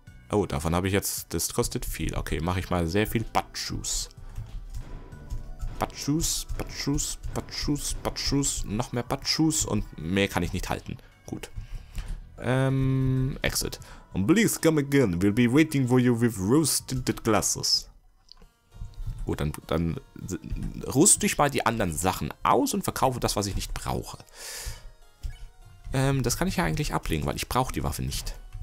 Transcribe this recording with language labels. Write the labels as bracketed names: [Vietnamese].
[German] Oh, davon habe ich jetzt, das kostet viel. Okay, mache ich mal sehr viel Batschus. Batschus, noch mehr Batschus und mehr kann ich nicht halten. Gut. Exit. [English] And please come again, we'll be waiting for you with rose-tinted glasses. [German] Gut, dann rüste ich mal die anderen Sachen aus und verkaufe das, was ich nicht brauche. Das kann ich ja eigentlich ablegen, weil ich brauche die Waffe nicht.